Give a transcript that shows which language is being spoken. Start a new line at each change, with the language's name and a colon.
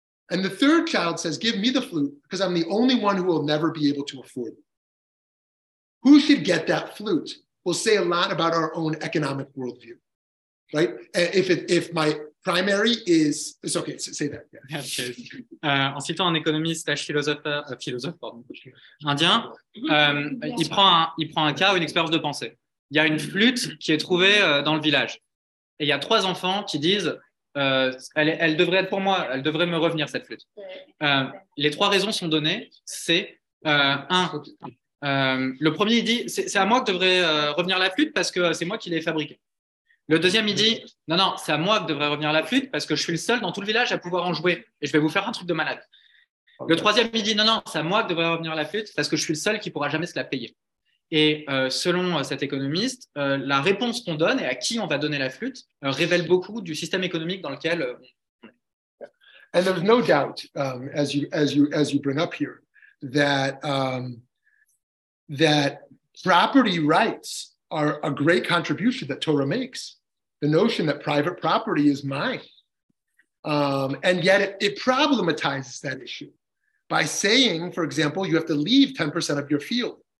English: And the third child says, give me the flute because I'm the only one who will never be able to afford it. Who should get that flute? Will say a lot about our own economic worldview, right? If my primary is, it's okay, say that. Yeah.
French: En citant un économiste, un philosophe pardon, indien, il prend un cas, une expérience de pensée. Il y a une flûte qui est trouvée dans le village. Et il y a trois enfants qui disent, elle devrait être pour moi, elle devrait me revenir cette flûte. Les trois raisons sont données, c'est un... le premier il dit c'est à moi que devrait revenir la flûte parce que c'est moi qui l'ai fabriquée. Le deuxième il dit non c'est à moi que devrait revenir la flûte parce que je suis le seul dans tout le village à pouvoir en jouer et je vais vous faire un truc de malade. Okay. Le troisième il dit non c'est à moi que devrait revenir la flûte parce que je suis le seul qui pourra jamais se la payer. Et selon cet économiste, la réponse qu'on donne et à qui on va donner la flûte révèle beaucoup du système économique dans lequel
English: And there's no doubt as you bring up here that property rights are a great contribution that Torah makes. The notion that private property is mine. And yet it problematizes that issue by saying, for example, you have to leave 10% of your field.